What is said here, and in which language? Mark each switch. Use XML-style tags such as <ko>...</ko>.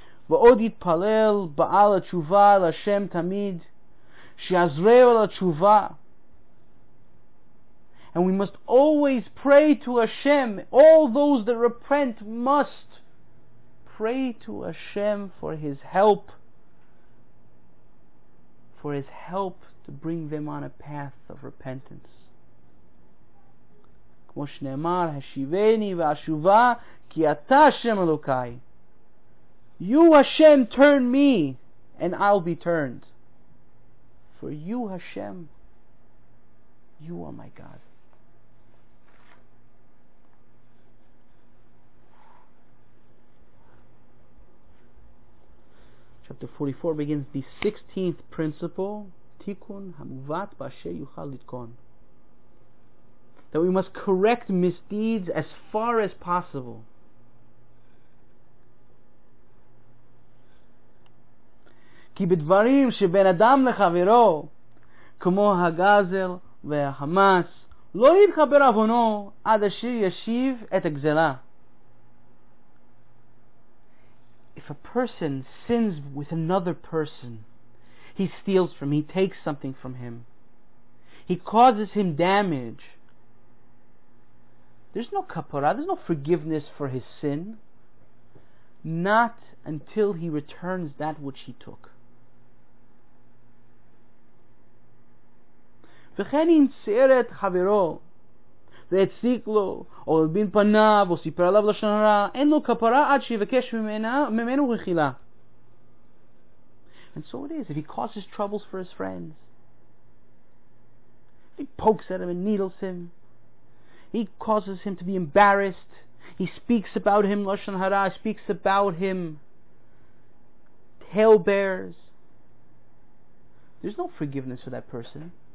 <he>ועוד יתפלל בעל התשובה על השם תמיד שיעזרו על התשובה.</he> <en>And we must always pray to Hashem. All those that repent must pray to Hashem for his help, for his help to bring them on a path of repentance.</en> <he>כמו שנאמר, השיבני והשובה כי אתה השם אלוקי.</he> <en>You Hashem, turn me, and I'll be turned. For you Hashem, you are my God. Chapter 44 begins the 16th principle,</en> <he>Tikkun Hamuvat Ba'asher Yuchal Litkon.</he> <en>That we must correct misdeeds as far as possible.</en> <he>כי בדברים שבין אדם לחברו, כמו הגזל והחמאס, לא יתחבר אבונו עד אשר ישיב את הגזלה.</he> <en>If a person sins with another person, he steals from him, he takes something from him, he causes him damage, there's no kapara, there's no forgiveness for his sin, not until he returns that which he took.</en> <he>וכן אם צייר את חברו והציק לו או הלבין פניו או סיפר עליו לשון הרע, אין לו כפרה עד שיבקש ממנו רחילה.</he> <en>And so it is, if he causes troubles for his friends, if he pokes at him and needles him, he causes him to be embarrassed, he speaks about him lashon hara, speaks about him talebearers, there's no forgiveness for that person.</en>